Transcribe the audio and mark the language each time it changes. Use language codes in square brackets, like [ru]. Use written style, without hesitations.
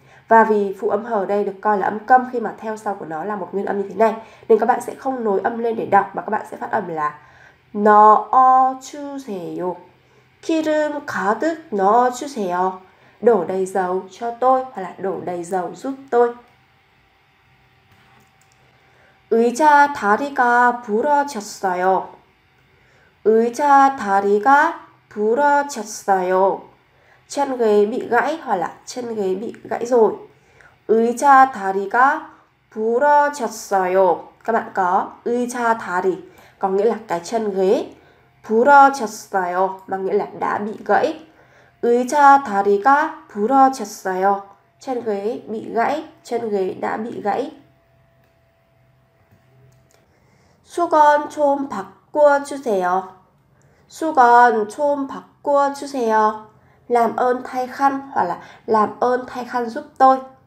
[vi] Và vì phụ âm hờ đây được coi là âm câm khi mà theo sau của nó là một nguyên âm như thế này nên các bạn sẽ không nối âm lên để đọc mà các bạn sẽ phát âm là no o chuseyo. [ko] 기름 가득 넣어 주세요. [vi] Đổ đầy dầu cho tôi hoặc là đổ đầy dầu giúp tôi. [ko] 의자 다리가 부러졌어요. 의자 다리가 부러졌어요. [vi] Chân ghế bị gãy hoặc là chân ghế bị gãy rồi. [ko] 의자 다리가 부러졌어요. [vi] Các bạn có 의자 다리 có nghĩa là cái chân ghế. 부러졌어요 mà nghĩa là đã bị gãy. [ko] 의자 다리가 부러졌어요. [vi] Chân ghế bị gãy, chân ghế đã bị gãy. [ko] 수건 좀 바꿔 주세요. 수건 좀 바꿔 주세요. [vi] Làm ơn thay khăn hoặc là làm ơn thay khăn giúp tôi.